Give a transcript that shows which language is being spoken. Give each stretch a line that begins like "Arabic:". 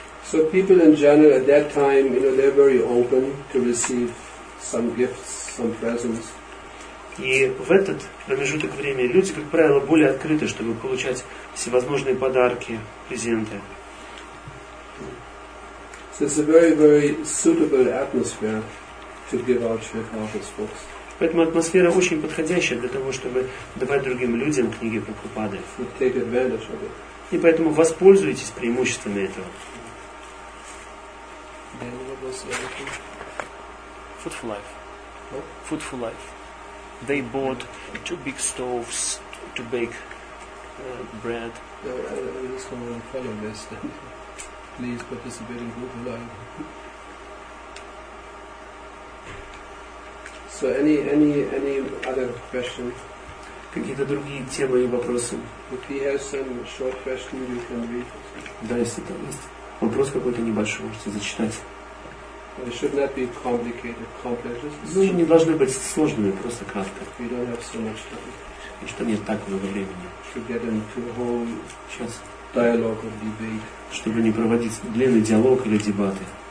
English: So people in general at that time, you know, they're very open to receive some gifts, some presents.
Russian: И в этот промежуток времени люди, как правило, более открыты, чтобы получать всевозможные подарки, презенты.
English: So it's a very, very suitable atmosphere to give out Shrikanta's books.
Russian: Поэтому атмосфера очень подходящая для того, чтобы давать другим людям книги Прабхупады.
English: Take advantage of it.
Russian: И поэтому воспользуйтесь преимуществами этого.
English: Then what was the other thing? Food for life. What? Food for life. They bought two big stoves to bake bread. I just want to follow this. Please participate in food for life. So any other question?
Russian: Какие-то другие темы и вопросы?
English: If he has some short question, you can read.
Russian: Да, если там есть. Вопрос какой-то небольшой, можете зачитать.
English: It should not be complicated, complex.
Russian: Ну, не должны быть сложными, просто кратко.
English: We don't have so much time.
Russian: И что нет так много времени.
English: To get into a whole
Russian: сейчас
English: dialogue or debate.
Russian: Чтобы не проводить длинный диалог или дебаты.